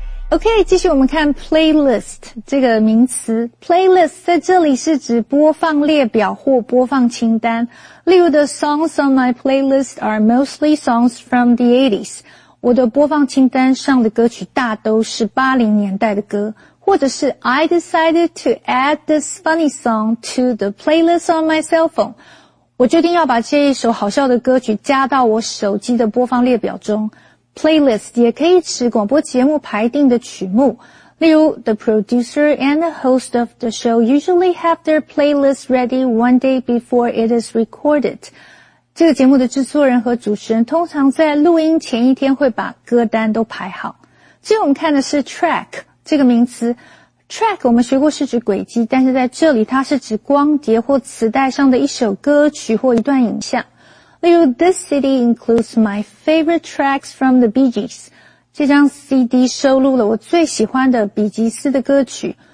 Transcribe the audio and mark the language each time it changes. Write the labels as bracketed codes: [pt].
[zh] Okay, 继续我们看 playlist 这个名词。 Playlist 在这里是指播放列表或播放清单。 [en] 例如 the songs on my playlist are mostly songs from the 80s. [zh] 我的播放清单上的歌曲大都是80年代的歌。或者是 [en] I decided to add this funny song to the playlist on my cell phone. [zh] 我决定要把这一首好笑的歌曲加到我手机的播放列表中。 Playlist 也可以指广播节目排定的曲目。 [en] 例如 the producer and the host of the show usually have their playlist ready one day before it is recorded. [zh] 这个节目的制作人和主持人通常在录音前一天会把歌单都排好。最后我们看的是 track 这个名词。Track 我们学过是指轨迹，但是在这里它是指光碟或磁带上的一首歌曲或一段影像。 [en] 例如 This CD includes my favorite tracks from the Bee Gees. [zh] 这张 CD 收录了我最喜欢的比吉斯的歌曲。